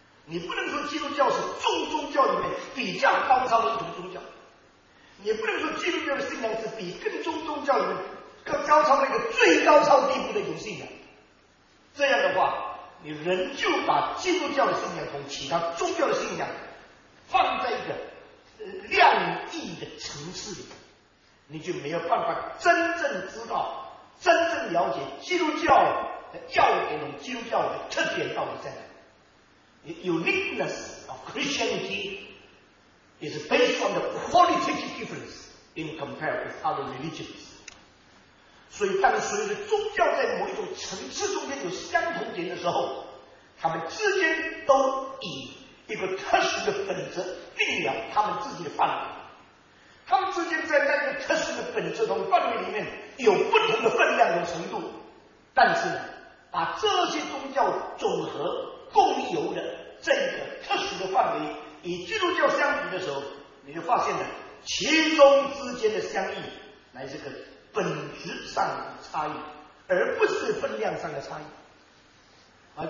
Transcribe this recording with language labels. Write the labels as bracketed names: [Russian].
[Chinese] 你不能说基督教是众宗教里面比较高超的一种宗教，你不能说基督教的信仰是比更众宗教里面高超那个最高超地步的一种信仰，这样的话，你仍旧把基督教的信仰同其他宗教的信仰放在一个量义的层次里，你就没有办法真正知道、真正了解基督教的要点和基督教的特点到底在哪。 [English] The uniqueness of Christianity is based on the qualitative difference in compared with other religions. [Chinese] 所以当所有的宗教在某一种层次中间有相同点的时候，他们之间都以一个特殊的本质定了他们自己的范围，他们之间在那个特殊的本质和范围里面有不同的分量和程度，但是呢，把这些宗教总和共有的这个特殊的范围与基督教相比的时候，你就发现了其中之间的相异乃是个本质上的差异，而不是分量上的差异。